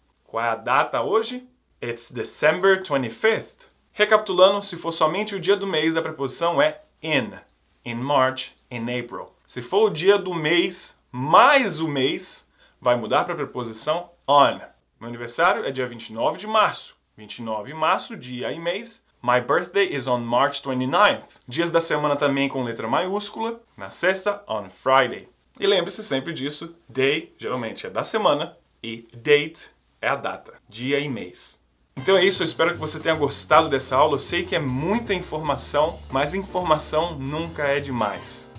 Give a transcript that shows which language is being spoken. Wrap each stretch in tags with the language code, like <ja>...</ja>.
<pt>Qual é a data hoje?</pt> <en>It's December 25th.</en> <pt>Recapitulando, se for somente o dia do mês, a preposição é in. In March, in April. Se for o dia do mês mais o mês, vai mudar para a preposição on. Meu aniversário é dia 29 de março. 29 de março, dia e mês.</pt> <en>My birthday is on March 29th.</en> <pt>Dias da semana também com letra maiúscula. Na sexta, on Friday. E lembre-se sempre disso. Day, geralmente, é da semana. E date é a data. Dia e mês. Então é isso. Eu espero que você tenha gostado dessa aula. Eu sei que é muita informação, mas informação nunca é demais.</pt>